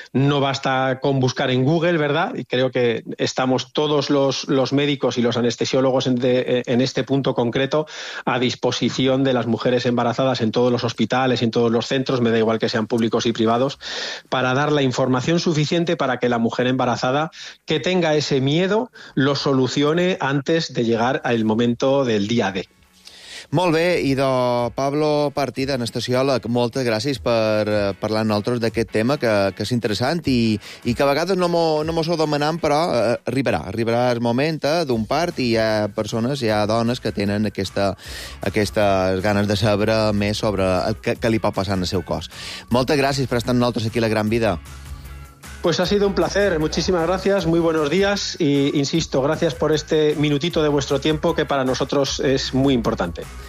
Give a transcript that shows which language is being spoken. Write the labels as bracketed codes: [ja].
[es] No basta con buscar en Google, ¿verdad? Y creo que estamos todos los médicos y los anestesiólogos en este punto concreto a disposición de las mujeres embarazadas en todos los hospitales, en todos los centros, me da igual que sean públicos y privados, para dar la información suficiente para que la mujer embarazada que tenga ese miedo lo solucione antes de llegar al momento del día D. [ca] Molt bé, idò, Pablo Partida, anestesiòleg, moltes gràcies per parlar amb nosaltres d'aquest tema, que és interessant i que a vegades no mos ho demanem, però arribarà el moment d'un part i hi ha dones que tenen aquestes ganes de saber més sobre el que li pot passar en el seu cos. Moltes gràcies per estar amb nosaltres aquí a La Gran Vida. [es] Pues ha sido un placer, muchísimas gracias, muy buenos días y insisto, gracias por este minutito de vuestro tiempo que para nosotros es muy importante.